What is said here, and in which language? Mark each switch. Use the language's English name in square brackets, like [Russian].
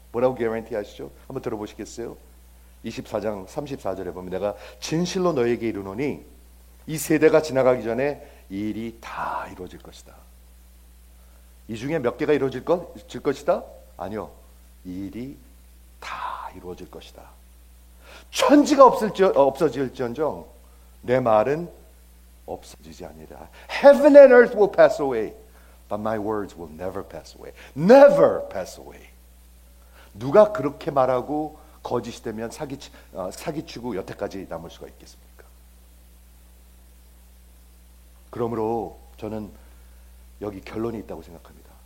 [Korean] 뭐라고 guarantee 하시죠? 한번 들어보시겠어요? 24장 34절에 보면 내가 진실로 너에게 이르노니 이 세대가 지나가기 전에 이 일이 다 이루어질 것이다. 이 중에 몇 개가 이루어질 것이다? 아니요. 이 일이 다 이루어질 것이다. 천지가 없어질지언정 내 말은 없어지지 아니라 [English] Heaven and earth will pass away but my words will never pass away. Never pass away. [Korean] 누가 그렇게 말하고 거짓이 되면 사기치고 여태까지 남을 수가 있겠습니까? 그러므로 저는 여기 결론이 있다고 생각합니다.